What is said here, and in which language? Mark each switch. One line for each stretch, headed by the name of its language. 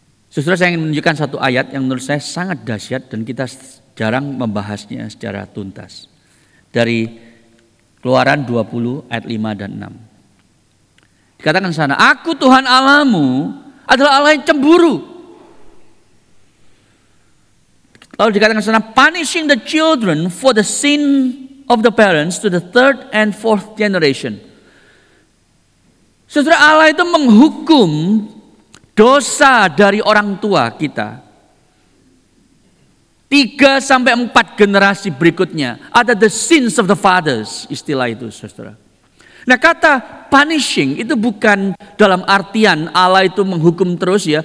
Indonesian: Saudara, saya ingin menunjukkan satu ayat yang menurut saya sangat dahsyat dan kita jarang membahasnya secara tuntas. Dari Keluaran 20 ayat 5 dan 6. Dikatakan sana, aku Tuhan Allahmu adalah Allah yang cemburu. Lalu dikatakan sana,
English: punishing the children for the sin of the parents to the third and fourth generation.
Indonesian: Saudara, Allah itu menghukum dosa dari orang tua kita. 3-4 generasi berikutnya. Ada
English: the sins of the fathers,
Indonesian: istilah itu, saudara. Nah, kata punishing itu bukan dalam artian Allah itu menghukum terus ya.